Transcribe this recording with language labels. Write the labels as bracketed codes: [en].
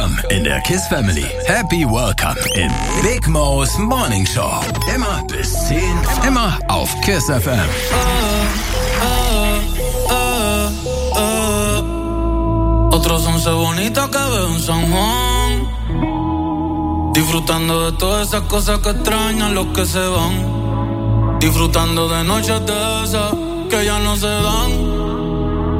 [de] in der KISS Family. [en] Happy Welcome in Big Mo's Morning Show. [de] Immer bis 10, immer auf KISS FM. [es] Otro sonce bonito que veo en San Juan. Disfrutando de todas esas cosas que extrañan los que se van. Disfrutando de noches de esas que ya no se dan.